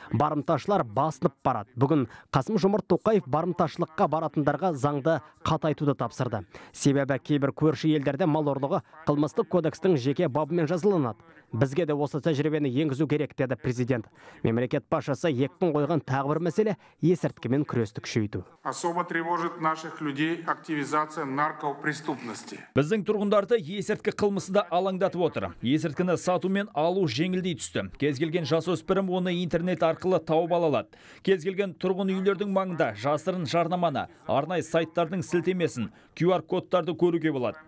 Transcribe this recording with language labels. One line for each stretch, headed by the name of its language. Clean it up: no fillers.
Kazakh: Барымташылар басынып барады. Бүгін Қасым-Жомарт Тоқаев барымташылыққа баратындарға заңды қатайтуды тапсырды. Себебі кейбір көрші елдерде мал ұрлығы қылмыстық кодекстің жеке бабымен жазылынады. Бізге де осы тәжірибені енгізу керек, деді президент. Мемлекет басшысы екпін қойған тағы бір мәселе есірткімен күресті күшейту.
Russian: Особо тревожит наших людей активизация наркопреступности.
Kazakh: Біздің тұрғындарды есірткі қылмысы да алаңдатып отыр. Есірткіні сату мен алу жеңілдей түсті. Кез келген жасөспірім оны интернет арқылы тауып ала алады. Кез келген тұрғын үйлердің маңында жасырын жарнаманы, арнайы сайттардың сілтемесін, QR кодтарды көруге болады.